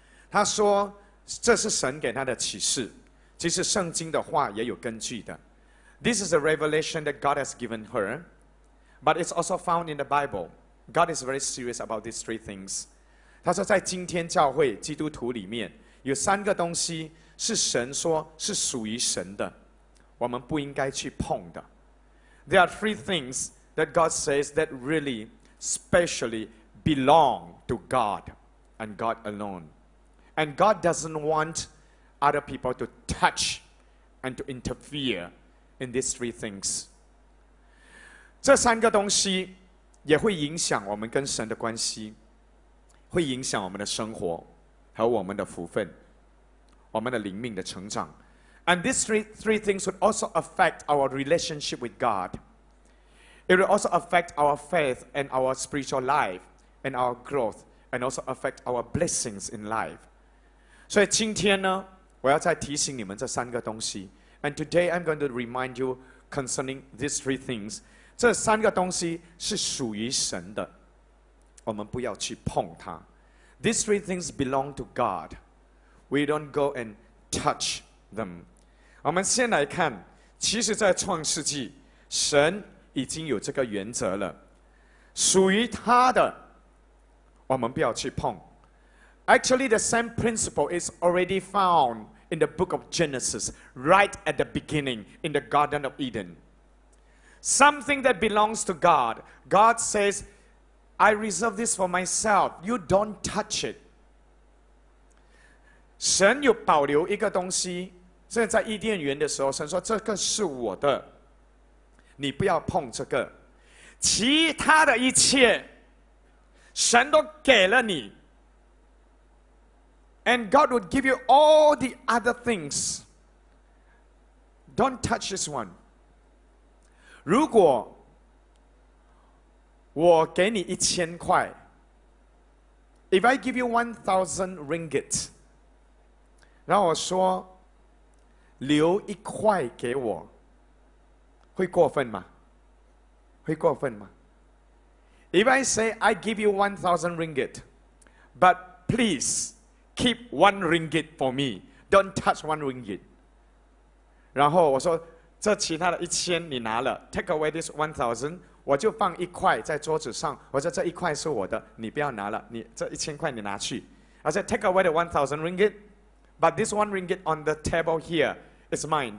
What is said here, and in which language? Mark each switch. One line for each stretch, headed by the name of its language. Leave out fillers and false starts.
Chinese: 他说这是神给他的启示，其实圣经的话也有根据的。
English: This is a revelation that God has given her. But it's also found in the Bible. God is very serious about these three things.
Chinese: 他说在今天教会基督徒里面有三个东西是神说是属于神的，我们不应该去碰的。
English: There are three things that God says that really specially belong to God and God alone. And God doesn't want other people to touch and to interfere in these three things.
Chinese: 这三个东西也会影响我们跟神的关系，会影响我们的生活和我们的福分，我们的灵命的成长。
English: And these three things would also affect our relationship with God. It will also affect our faith and our spiritual life and our growth, and also affect our blessings in life.
Chinese: 所以今天呢，我要再提醒你们这三个东西。
English: And today I'm going to remind you concerning these three things.
Chinese: 这三个东西是属于神的，我们不要去碰它。
English: These three things belong to God. We don't go and touch them.
Chinese: 我们先来看，其实在创世纪神已经有这个原则了，属于他的我们不要去碰。
English: Actually the same principle is already found in the book of Genesis, right at the beginning in the Garden of EdenSomething that belongs to God, God says, I reserve this for myself. You don't touch it.
Chinese: 神有保留一个东西，所以在伊甸园的时候，神说这个是我的，你不要碰这个。其他的一切，神都给了你。
English: And God would give you all the other things. Don't touch this one.
Chinese: 如果我给你1000块
English: If I give you 1000 ringgit
Chinese: 然后我说留1块给我，会过分吗？会过分吗？
English: If I say I give you 1,000 ringgit, but please keep 1 ringgit for me, don't touch 1 ringgit.
Chinese: 然后我说这其他的一千你拿了 ，
English: take away this 1,000，
Chinese: 我就放一块在桌子上。我说这一块是我的，你不要拿了，你这一千块你拿去。
English: I said take away the 1,000 ringgit, but this 1 ringgit on the table here is mine.